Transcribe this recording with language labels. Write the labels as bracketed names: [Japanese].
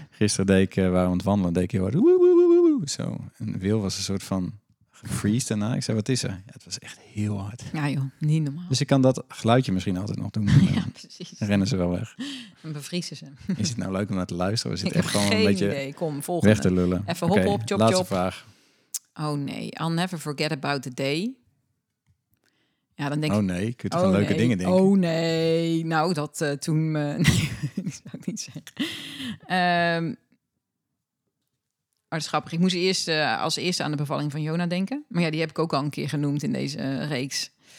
[Dutch] Gisteren deed ik, waren we aan het wandelen, deed ik heel hard... Woe, woe, woe, woe, woe, zo. En Wil was een soort van gefreeze daarna. Ik zei, wat is er? Ja, het was echt heel hard. Ja joh, niet normaal. Dus ik kan dat geluidje misschien altijd nog doen. Ja, precies. Dan rennen ze wel weg. Dan bevriezen ze. Is het nou leuk om naar te luisteren? We zitten ik echt gewoon geen een beetje idee. Kom, volgende. Weg te lullen. Even hop, chop, chop. Laatste vraag. Oh nee, [English] I'll never forget about the day. [Dutch] Ja, dan denk oh nee, kun je toch aan leuke dingen denken? Oh nee, nou dat toen... Nee, dat zou ik niet zeggen. Maar dat is grappig. Ik moest eerst als eerste aan de bevalling van Jona denken. Maar ja, die heb ik ook al een keer genoemd in deze reeks.